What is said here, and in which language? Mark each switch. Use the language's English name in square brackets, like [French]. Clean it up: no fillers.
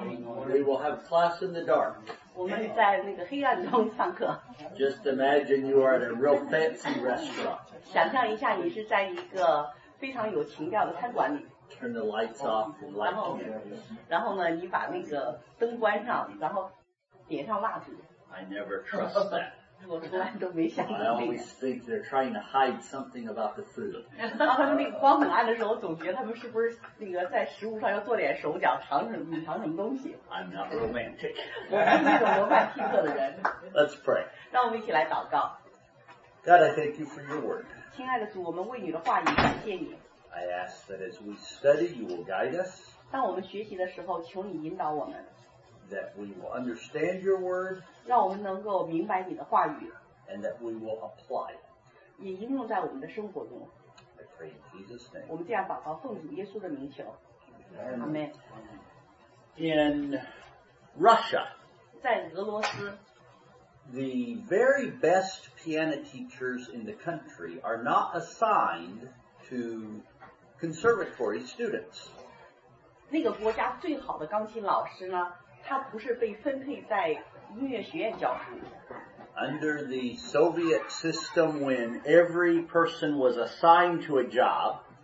[English] We will have class in the dark. [Chinese] 我们在那个黑暗中上课。 [English] Just imagine you are at a real fancy restaurant. [Chinese] 想象一下你是在一个非常有情调的餐馆里。 [English] Turn the lights off and light the candles. [Chinese] 然后呢,你把那个灯关上,然后点上蜡烛。 [English] I never trust that. [Chinese] 我从来都没想过这个。 [English] I always think they're trying to hide something about the food. [Chinese] 然后他们那个光很暗的时候，我总觉得他们是不是那个在食物上要做点手脚，藏什么东西。 [English] I'm not romantic. [Chinese] 我不是那种罗曼蒂克的人。 [English] Let's pray. [Chinese] 让我们一起来祷告。 [English] God, I thank you for your word. [Chinese] 亲爱的主，我们为你的话语感谢你。 [English] I ask that as we study, you will guide us. [Chinese] 当我们学习的时候，求你引导我们。 [English] That we will understand your word. [Chinese] 让我们能够明白你的话语。 [English] And that we will apply it. [Chinese] 也应用在我们的生活中。 [English] I pray in Jesus' name. [Chinese] 我们这样祷告，奉主耶稣的名求。 [English] Amen. In Russia. [Chinese] 在俄罗斯。 [English] The very best piano teachers in the country are not assigned to conservatory students. [Chinese] 那个国家最好的钢琴老师呢？他不是被分配在音乐学院教书。 [English] Under the Soviet system, when every person was assigned to a job,